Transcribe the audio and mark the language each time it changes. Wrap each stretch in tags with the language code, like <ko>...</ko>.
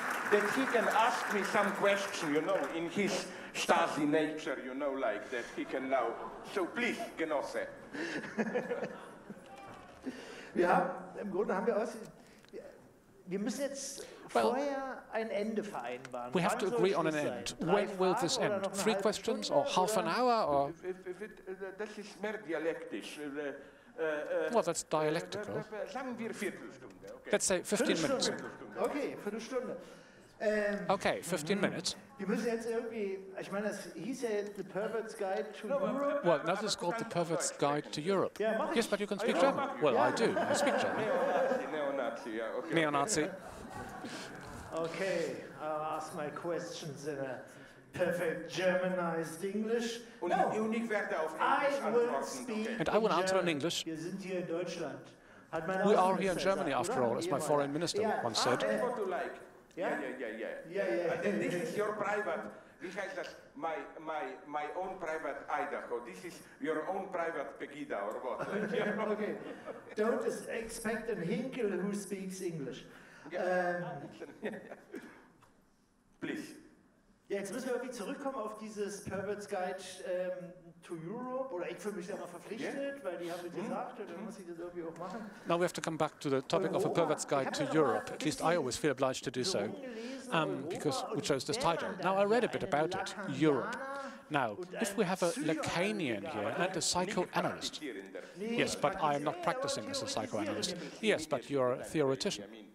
<en>That he can ask me some question, you know, in his Stasi nature, you know, like that he can now. So please, Genosse.</en> <de>Wir haben, im Grunde haben wir auch, wir müssen jetzt vorher ein Ende vereinbaren.</de> <en>We have to agree on an end. When will this end? Three questions or half an hour or?</en> <de>Das ist mehr dialektisch.</de> <en>Well, that's dialectical.</en> <de>Sagen wir Viertelstunde.</de> <en>Let's say 15 minutes.</en> <de>Okay, Viertelstunde.</de> <en>Okay, 15 minutes.</en> <de>Wir müssen jetzt irgendwie, ich meine,</de> <en>he said the pervert's guide to Europe. Well, now this is called the pervert's guide to Europe. Yeah, yes, but you can speak German. Well, yeah. I do. I speak German. Neo-Nazi, yeah. Okay. Neo-Nazi. Okay, I'll ask my questions in a perfect Germanized English. I will answer in English.</en> <de>Wir sind hier in Deutschland.</de> <en>We are here in Germany, after all, as my foreign minister once said. Yeah. This is your private. This is my own private Idaho. This is your own private Pegida or what? Okay. Don't expect a Hinkel who speaks English. Please.</en> <de>Ja, jetzt müssen wir irgendwie zurückkommen auf dieses Pervert's Guide to Europe. Oder ich fühle mich da mal verpflichtet, weil die haben mir gesagt, und dann muss ich das irgendwie auch machen.</de> <en>Now we have to come back to the topic</en> <de>Europa.</de> <en>Of a Pervert's Guide to Europe. At least I always feel obliged to do so. Because we chose this title. Now, I read a bit about it, Europe. Now, if we have a Lacanian here and a psychoanalyst, Yes, but I am not practicing as a psychoanalyst. Yes, but you are a theoretician.</en>